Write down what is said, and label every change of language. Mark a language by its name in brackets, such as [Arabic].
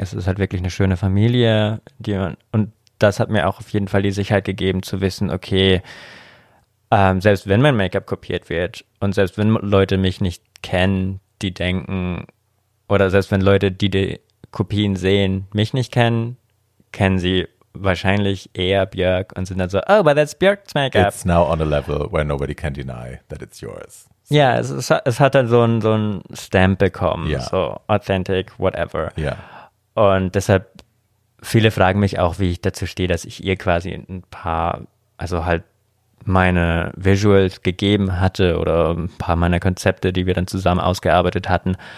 [German] Es ist halt wirklich eine schöne Familie. Und das hat mir auch auf jeden Fall die Sicherheit gegeben, zu wissen, okay, selbst wenn mein Make-up kopiert wird und selbst wenn Leute mich nicht kennen, die denken, oder selbst wenn Leute, die die Kopien sehen, mich nicht kennen, kennen sie wahrscheinlich eher Björk und sind dann so, oh, [English] but that's Björk's Make-up. It's now on a level where nobody can deny that it's yours. [German] Ja, es hat dann so ein Stamp bekommen, yeah. [English] So authentic, whatever. Yeah. [German] Und deshalb, viele fragen mich auch, wie ich dazu stehe, dass ich ihr quasi ein paar, also halt meine Visuals gegeben hatte oder ein paar meiner Konzepte, die wir dann zusammen ausgearbeitet hatten.